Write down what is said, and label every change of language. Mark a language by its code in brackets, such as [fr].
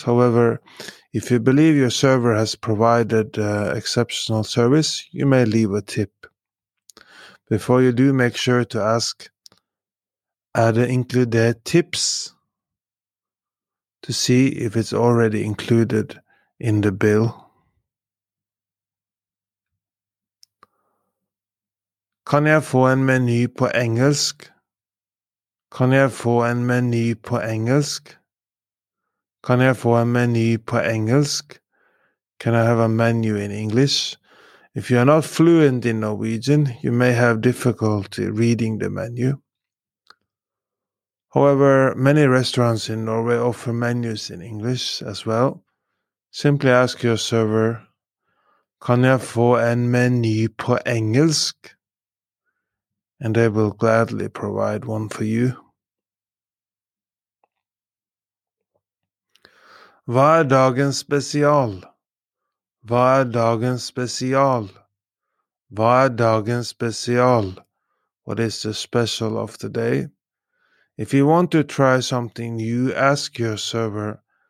[en] However, if you believe your server has provided exceptional service, you may leave a tip. Before you do, make sure to ask, [no] Det inkludert tips? [en] To see if it's already included in the bill. [no] Kan jeg få en meny på engelsk? Kan jeg få en meny på engelsk? Kan jeg få en meny på engelsk? [en] Can I have a menu in English? If you are not fluent in Norwegian, you may have difficulty reading the menu. However, many restaurants in Norway offer menus in English as well. Simply ask your server, [no] Kan jeg få en meny på engelsk? [en] And they will gladly provide one for you. [no] Hva dagens spesial? Hva dagens spesial? Hva dagens spesial? [en] What is the special of the day? If you want to try something new, ask your server,